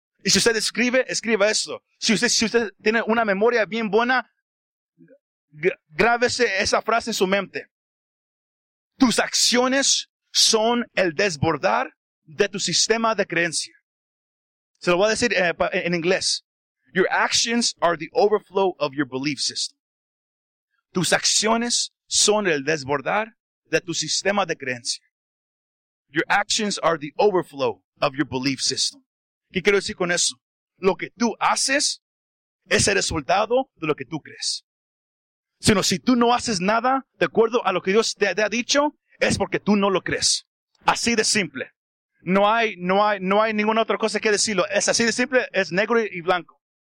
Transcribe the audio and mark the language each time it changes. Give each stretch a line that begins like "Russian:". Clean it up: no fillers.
Spanish: Y si usted escriba esto. Si usted tiene una memoria bien buena, grábese esa frase en su mente. Tus acciones son el desbordar de tu sistema de creencia. Se lo voy a decir en inglés.
English: Your actions are the overflow of your belief system.
Spanish: Tus acciones son el desbordar de tu sistema de creencia.
English: Your actions are the overflow of your belief system.
Spanish: ¿Qué quiero decir con eso? Lo que tú haces es el resultado de lo que tú crees. Sino si tú no haces nada de acuerdo a lo que Dios te ha dicho, es porque tú no lo crees. Así de simple. No hay ninguna otra cosa que decirlo. Es así de simple, es negro y blanco.